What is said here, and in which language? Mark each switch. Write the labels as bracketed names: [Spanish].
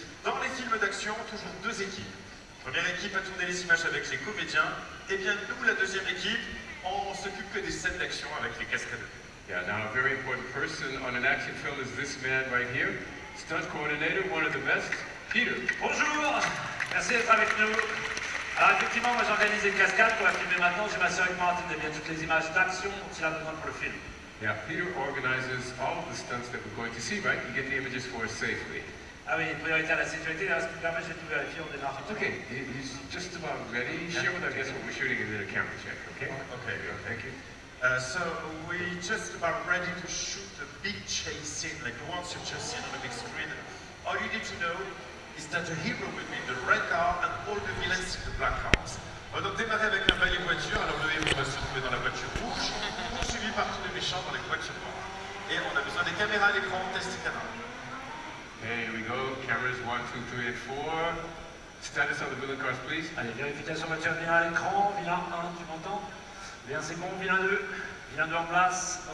[French] Dans les films d'action, toujours deux équipes. Première équipe a tourné les images avec les comédiens, et bien nous, la deuxième équipe, on s'occupe que des scènes d'action avec les cascadeurs. [English] Yeah, now a very important person on an action film is this man right here, stunt coordinator, one of the best, Peter. [French] Bonjour, merci d'être avec nous. Alors effectivement, moi j'organise une cascade pour la filmer maintenant, je m'assure avec Martin de bien toutes les images d'action dont il a besoin pour le film. [English] Yeah, Peter organizes all of the stunts that we're going to see, right? You get the images for us safely. [French] Ah oui, priorité à la sécurité, là, ce qui permet de tout vérifier, on démarre. [English] Okay, he's just about ready. Share with our guests what we're shooting and then a camera check, okay? Okay, yeah, thank you. So, we're just about ready to shoot a big chase scene, like the ones you've just seen on the big screen. All you need to know is that a hero will be in the red car and all the villains in the black cars. [French] On donc démarrer avec un balai voiture, alors le héros va se trouver dans la voiture rouge, poursuivi par tous les méchants dans les voitures noires. Et on a besoin des caméras à l'écran, [English] test camera. Hey, here we go. Cameras 1, 2, 3, and 4. Status of the villain cars, please. [French] Allez, vérification voiture bien à l'écran. Vilain 1, tu m'entends? Bien, c'est bon. Vilain 2. Vilain 2 en place.